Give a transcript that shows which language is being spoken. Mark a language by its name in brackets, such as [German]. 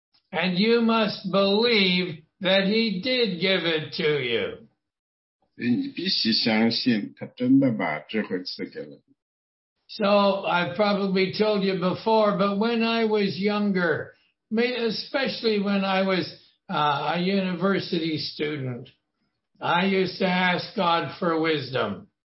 [English] And you must believe that he did give it to you. [Chinese] 你必须相信他真的把智慧赐给了你。 [English] So I've probably told you before, but when I was younger, especially when I was a university student, I used to ask God for wisdom.